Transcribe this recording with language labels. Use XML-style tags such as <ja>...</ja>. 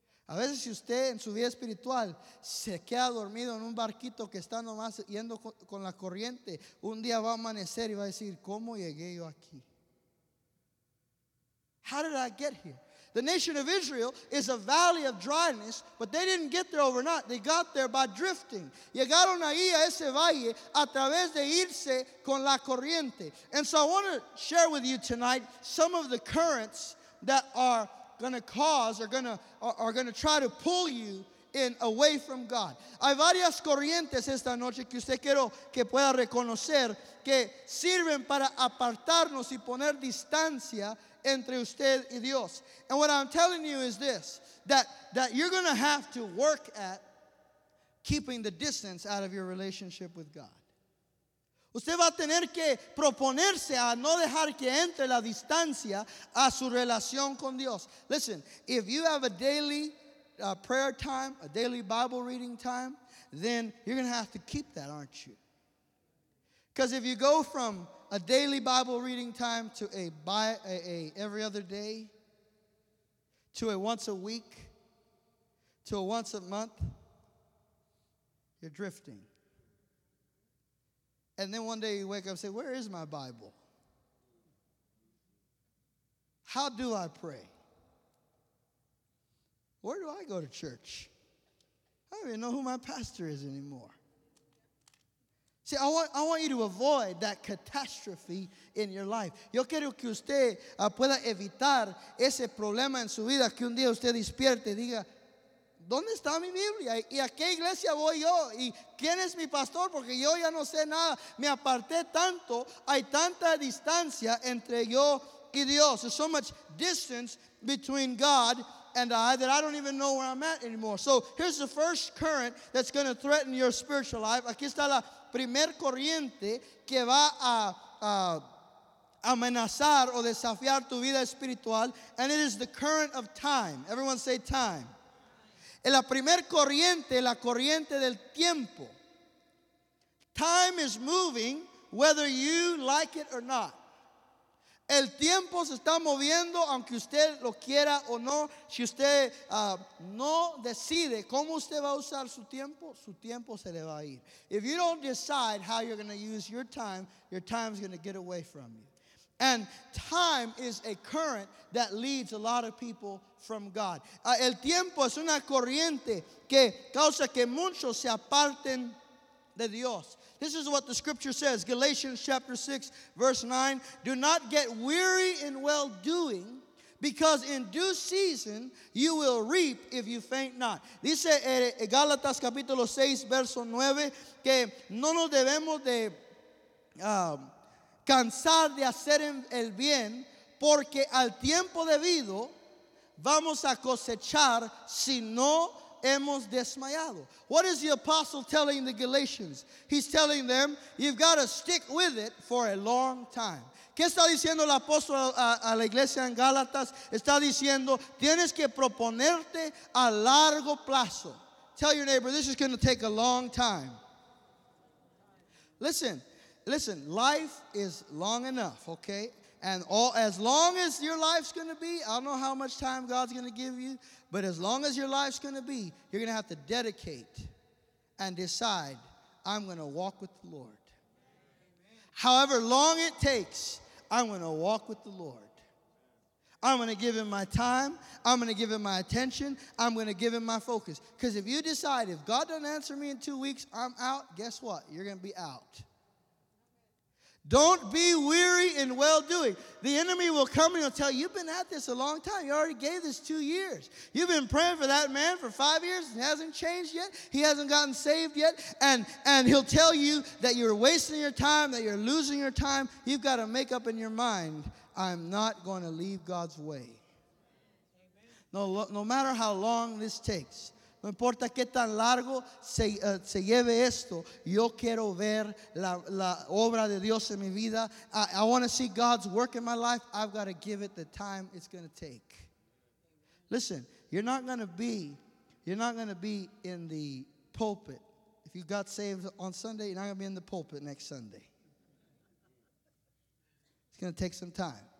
<es>A veces si usted en su vida espiritual se queda dormido en un barquito que está nomás yendo con la corriente, un día va a amanecer y va a decir, ¿cómo llegué yo aquí?</es> <en>How did I get here? The nation of Israel is a valley of dryness, but they didn't get there overnight. They got there by drifting.</en> <es>Llegaron ahí a ese valle a través de irse con la corriente.</es> <en>And so I want to share with you tonight some of the currents that are going to cause, are going to try to pull you in away from God.</en> <es>Hay varias corrientes esta noche que usted quiero que pueda reconocer que sirven para apartarnos y poner distancia entre usted y Dios.</es> <en>And what I'm telling you is this, that you're going to have to work at keeping the distance out of your relationship with God.</en> <es>Usted va a tener que proponerse a no dejar que entre la distancia a su relación con Dios.</es> <en>Listen, if you have a daily prayer time, a daily Bible reading time, then you're going to have to keep that, aren't you? Because if you go from a daily Bible reading time to a every other day, to a once a week, to a once a month, you're drifting. And then one day you wake up and say, where is my Bible? How do I pray? Where do I go to church? I don't even know who my pastor is anymore. See, I want you to avoid that catastrophe in your life.</en> <es>Yo quiero que usted pueda evitar ese problema en su vida, que un día usted despierte y diga, ¿dónde está mi Biblia? ¿Y a qué iglesia voy yo? ¿Y quién es mi pastor? Porque yo ya no sé nada. Me aparté tanto. Hay tanta distancia entre yo y Dios.</es> <en>There's so much distance between God and I that I don't even know where I'm at anymore. So here's the first current that's going to threaten your spiritual life.</en> <es>Aquí está la primer corriente que va a amenazar o desafiar tu vida espiritual.</es> <en>And it is the current of time. Everyone say time.</en> <es>En la primer corriente, la corriente del tiempo.</es> <en>Time is moving whether you like it or not.</en> <es>El tiempo se está moviendo aunque usted lo quiera o no. Si usted no decide cómo usted va a usar su tiempo se le va a ir.</es> <en>If you don't decide how you're going to use your time is going to get away from you. And time is a current that leads a lot of people from God.</en> <es>El tiempo es una corriente que causa que muchos se aparten de Dios.</es> <en>This is what the scripture says, Galatians chapter 6, verse 9. Do not get weary in well-doing, because in due season you will reap if you faint not.</en> <es>Dice Gálatas capítulo 6, verso 9, que no nos debemos de cansar de hacer el bien, porque al tiempo debido vamos a cosechar si no hemos desmayado.</es> <en>What is the apostle telling the Galatians? He's telling them, you've got to stick with it for a long time.</en> <es>¿Qué está diciendo el apóstol a la iglesia en Gálatas? Está diciendo, tienes que proponerte a largo plazo.</es> <en>Tell your neighbor, this is going to take a long time. Listen. Listen, life is long enough, okay? And all as long as your life's going to be, I don't know how much time God's going to give you, but as long as your life's going to be, you're going to have to dedicate and decide, I'm going to walk with the Lord. Amen. However long it takes, I'm going to walk with the Lord. I'm going to give him my time. I'm going to give him my attention. I'm going to give him my focus. Because if you decide, if God doesn't answer me in 2 weeks, I'm out, guess what? You're going to be out. Don't be weary in well-doing. The enemy will come and he'll tell you, you've been at this a long time. You already gave this 2 years. You've been praying for that man for 5 years. He hasn't changed yet. He hasn't gotten saved yet. And he'll tell you that you're wasting your time, that you're losing your time. You've got to make up in your mind, I'm not going to leave God's way. No matter how long this takes.</en> <es>No importa qué tan largo se lleve esto. Yo quiero ver la obra de Dios en mi vida.</es> <en>I want to see God's work in my life. I've got to give it the time it's going to take. Listen, you're not going to be in the pulpit. If you got saved on Sunday, you're not going to be in the pulpit next Sunday. It's going to take some time.</en>